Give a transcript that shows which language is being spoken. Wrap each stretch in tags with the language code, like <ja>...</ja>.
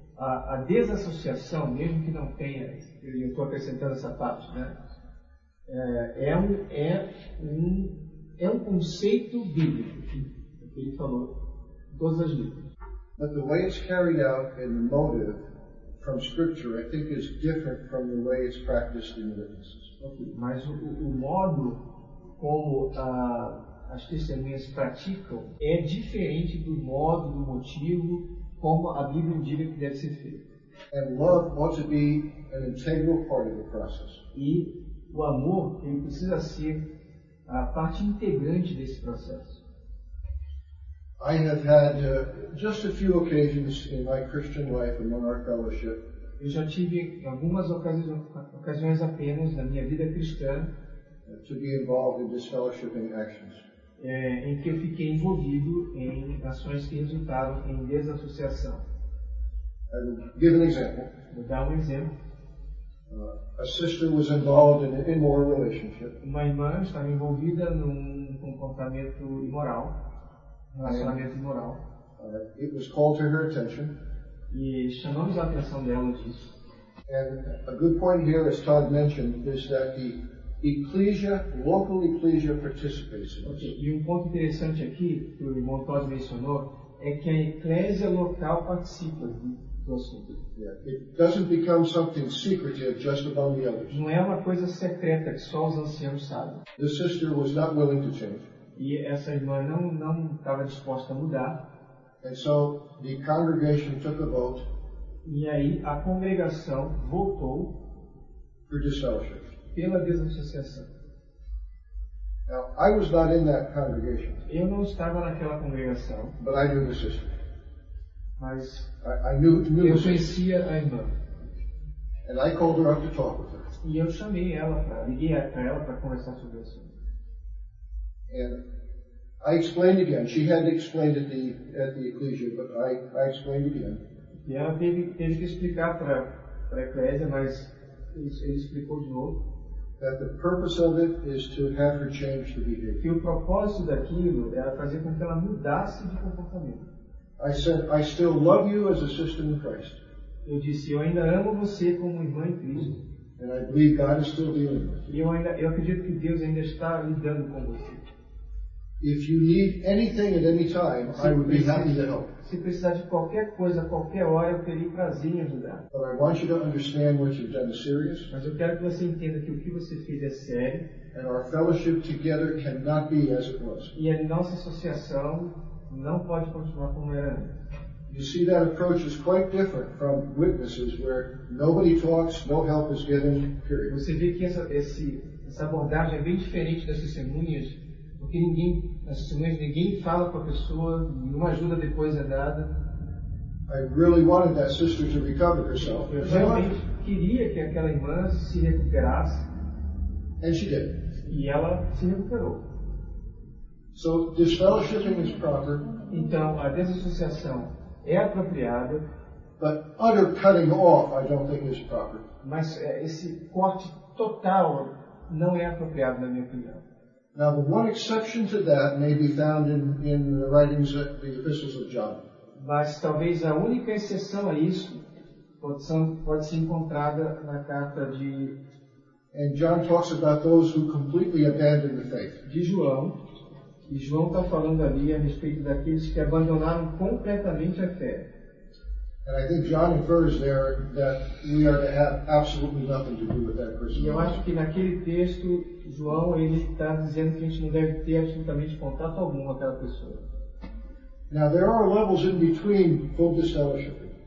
<pt>A desassociação, mesmo que não tenha, eu estou acrescentando essa parte, né? É um conceito bíblico que ele falou em todas as línguas.</pt> <en>But the way it's carried out and the motive from scripture, I think, is different from the way it's practiced in witnesses. Okay.</en> <pt>Mas o modo como as testemunhas praticam é diferente do modo, do motivo como a Bíblia indica que deve ser feito.</pt> <en>And love ought to be an integral part of the process.</en> <pt>E o amor, ele precisa ser a parte integrante desse processo.</pt> <en>I have had just a few occasions in my Christian life and in our fellowship.</en> <pt>Eu já tive algumas ocasiões apenas na minha vida cristã</pt> <en>to be involved in disfellowshipping actions.</en> <pt>Em que eu fiquei envolvido em ações que resultaram em desassociação.</pt> <en>I will give an example.</en> <pt>Vou dar um exemplo.</pt> <en>A sister was involved in an immoral relationship.</en> <pt>Uma irmã estava envolvida num comportamento imoral, relacionamento imoral.</pt> <en>It was called to her attention.</en> <pt>E chamamos a atenção dela disso.</pt> <en>And a good point here, as Todd mentioned, is that the ecclesia, local ecclesia participation. Okay.</en> <pt>E um ponto interessante aqui, que o irmão Todd mencionou, é que a eclésia local participa</pt> <en>It doesn't become something secretive just among the elders.</en> <pt>Não é uma coisa secreta que só os anciãos sabem.</pt> <en>The sister was not willing to change.</en> <pt>E essa irmã não estava disposta a mudar.</pt> <en>And so the congregation took a vote.</en> <pt>E aí a congregação votou</pt> <en>for dissociation.</en> <pt>Pela desassociação.</pt> <en>Now, I was not in that congregation.</en> <pt>Eu não estava naquela congregação.</pt> <en>But I knew the sister.</en> <pt>Mas</pt> <en>I knew</en> <pt>eu conhecia a irmã.</pt> <en>And I called her up to talk with her.</en> <pt>E eu chamei ela para, liguei para ela para conversar sobre isso.</pt> <en>And I explained again. She had explained at the ecclesia, but I explained again.</en> <pt>E ela teve que explicar para a igreja, mas ele explicou de novo.</pt> <en>That the purpose of it is to have her change the behavior.</en> <pt>Que o propósito daquilo era fazer com que ela mudasse de comportamento.</pt> <en>I said, I still love you as a sister in Christ.</en> <pt>Eu disse, eu ainda amo você como irmã em Cristo.</pt> <en>And I believe God is still dealing with you.</en> <pt>Eu acredito que Deus ainda está lidando com você.</pt> <en>If you need anything at any time, I would be happy to help.</en> <pt>Se precisar de qualquer coisa, a qualquer hora, eu teria prazer em ajudar.</pt> <en>But I want you to understand what you've done is serious.</en> <pt>Mas eu quero que você entenda que o que você fez é sério.</pt> <en>And our fellowship together cannot be as it was.</en> <pt>E a nossa associação não pode continuar como era antes.</pt> <en>You see, that approach is quite different from witnesses where nobody talks, no help is given, period.</en> <pt>Você vê que essa abordagem é bem diferente das testemunhas. Porque ninguém, assim, ninguém fala com a pessoa, nenhuma ajuda depois é dada.</pt> <en>I really wanted that sister to recover herself.</en> <pt>Eu realmente queria que aquela irmã se recuperasse.</pt> <en>And she did.</en> <pt>E ela se recuperou.</pt> <en>So, disfellowshipping is proper.</en> <pt>Então, a desassociação é apropriada.</pt> <en>But utter cutting off, I don't think is proper.</en> <pt>Mas esse corte total não é apropriado, na minha opinião.</pt> <en>Now, the one exception to that may be found in the writings of the epistles of John.</en> <pt>Mas talvez a única exceção a isso pode ser encontrada na carta de.</pt> <en>And John talks about those who completely abandon the faith.</en> <pt>De João. E João está falando ali a respeito daqueles que abandonaram completamente a fé.</pt> <en>And I think John infers there that we are to have absolutely nothing to do with that person.</en> <pt>E eu acho que naquele texto, João, ele está dizendo que a gente não deve ter absolutamente contato algum com aquela pessoa.</pt> <en>Now, there are levels in between full disfellowshipping.</en>